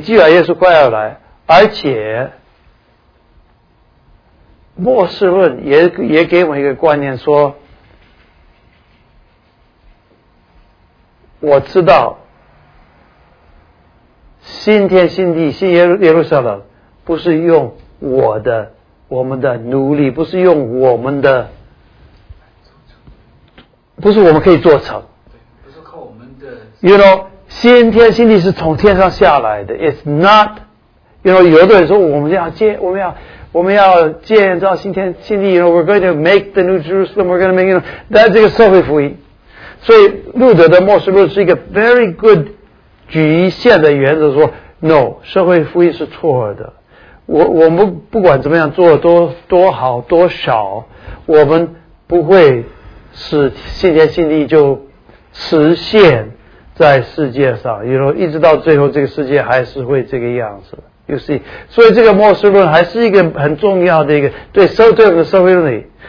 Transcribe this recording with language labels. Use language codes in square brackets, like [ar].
[zh] 既然耶稣快要来，而且末世论也给我一个观念说，我知道新天新地新耶路撒冷不是用我们的奴隶，不是用我们的。不是我们可以做成，对，不是靠我们的。 [en] You know， [zh] 新天新地是从天上下来的。 [en] It's not， you know， [zh] 有的人说我们要建造新天新地。 [en] You know， we're going to make the new Jerusalem， we're going to make， you know， that [zh] 这个社会福音。所以路德的末世论是一个 [en] very good [zh] 局限的原则，说 [en] no， [zh] 社会福音是错的。我们不管怎么样做多好多少，我们不会。使信天信地就实现在世界上， [en] you know， [zh] 一直到最后这个世界还是会这个样子， [en] you see， [zh] 所以这个末世论还是一个很重要的一个对我们的社会伦理